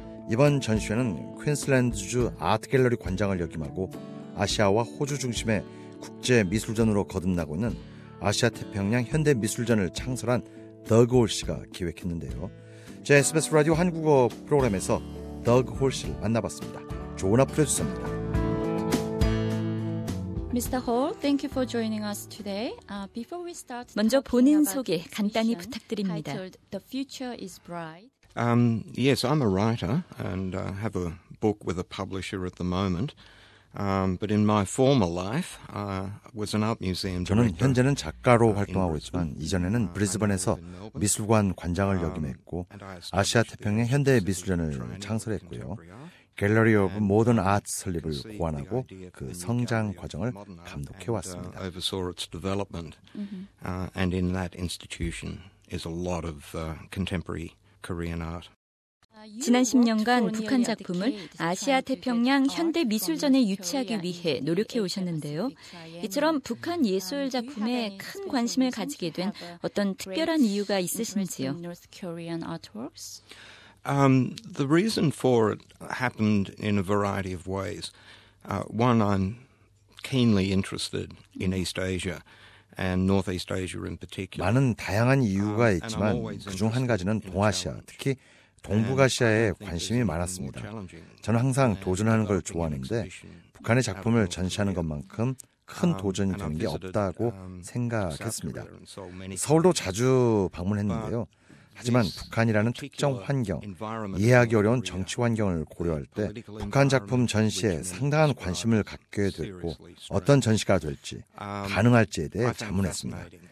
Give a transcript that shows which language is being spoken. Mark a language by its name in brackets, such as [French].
[Korean] 이번 전시회는 퀸슬랜드주 아트 갤러리 관장을 역임하고 아시아와 호주 중심의 국제 미술전으로 거듭나고 있는 아시아 태평양 현대 미술전을 창설한 더그 홀 씨가 기획했는데요. 제 SBS 라디오 한국어 프로그램에서 더그 홀 씨를 만나봤습니다. 조은하 프로듀서입니다. [English] Mr. Hall, thank you for joining us today. Before we start, [Korean] 먼저 본인 소개 간단히 부탁드립니다. [English] The future is bright. Yes, I'm a writer and have a book with a publisher at the moment. But in my former life, was an art museum. [Korean] 저는 현재는 작가로 활동하고 있지만 이전에는 브리즈번에서 미술관 관장을 역임했고 아시아 태평양 현대 미술전을 창설했고요. 갤러리 오브 모던 아트 설립을 고안하고 그 성장 과정을 감독해 왔습니다. [English] Oversaw its development, and in that institution is a lot of contemporary Korean art. [Korean] 지난 10년간 북한 작품을 아시아 태평양 현대 미술전에 유치하기 위해 노력해 오셨는데요. 이처럼 북한 예술 작품에 큰 관심을 가지게 된 어떤 특별한 이유가 있으신지요? [English] The reason for it happened in a variety of ways. One, I'm keenly interested in East Asia and Northeast Asia in particular. [Korean] 많은 다양한 이유가 있지만 그중 한 가지는 동아시아, 특히 동북아시아에 관심이 많았습니다. 저는 항상 도전하는 걸 좋아하는데 북한의 작품을 전시하는 것만큼 큰 도전이 되는 게 없다고 생각했습니다. 서울도 자주 방문했는데요. 하지만 북한이라는 특정 환경, 이해하기 어려운 정치 환경을 고려할 때 북한 작품 전시에 상당한 관심을 갖게 됐고 어떤 전시가 될지, 가능할지에 대해 자문했습니다.